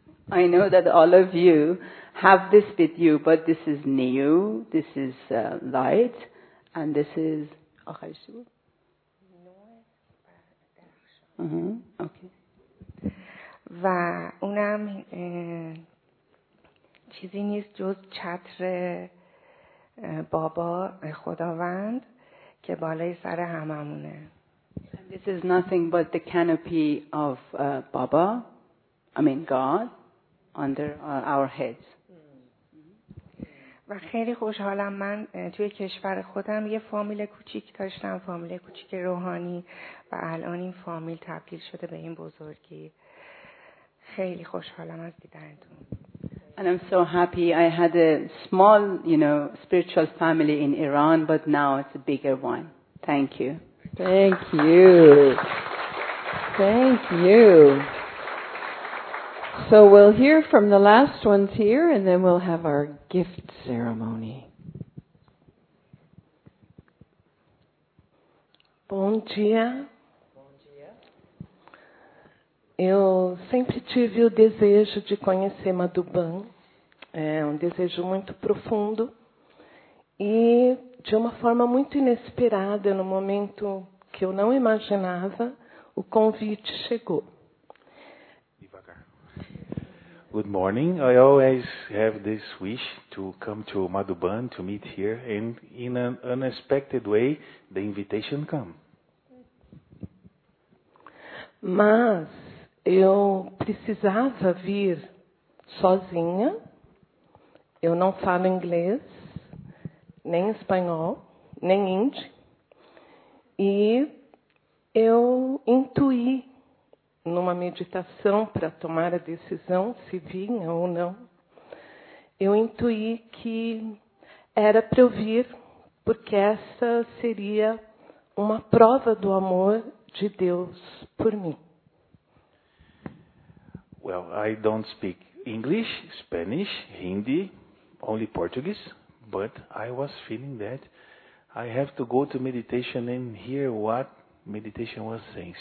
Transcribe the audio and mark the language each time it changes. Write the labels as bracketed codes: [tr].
[en] I know that all of you have this with you but this is new this is light and this is [fa] آخرش بود نو اوکی و اونم چیزی نیست جز چتر بابا خداوند که بالای سر هممونه [en] This is nothing but the canopy of Baba, God, under our heads. [fa] و خیلی خوشحالم من توی کشور خودم یه فامیل کوچیک داشتم، فامیل کوچیک روحانی و الان این فامیل تبدیل شده به این بزرگی. خیلی خوشحالم از دیدنتون. [en] And I'm so happy. I had a small, spiritual family in Iran, but now it's a bigger one. Thank you. Thank you. Thank you. So we'll hear from the last ones here and then we'll have our gift ceremony. [pt] Bom dia. Eu sempre tive o desejo de conhecer Madhuban. É um desejo muito profundo. E de uma forma muito inesperada, no momento que eu não imaginava, o convite chegou. Devagar. [en] Good morning. I always have this wish to come to Madhuban, to meet here, and in an unexpected way, the invitation came. [pt] Mas eu precisava vir sozinha. Eu não falo inglês, nem espanhol, nem hindi. E eu intuí numa meditação para tomar a decisão se vinha ou não. Eu intuí que era para eu vir, porque essa seria uma prova do amor de Deus por mim. [en] Well, I don't speak English, Spanish, Hindi, only Portuguese, but I was feeling that I have to go to meditation and hear what meditation was saying.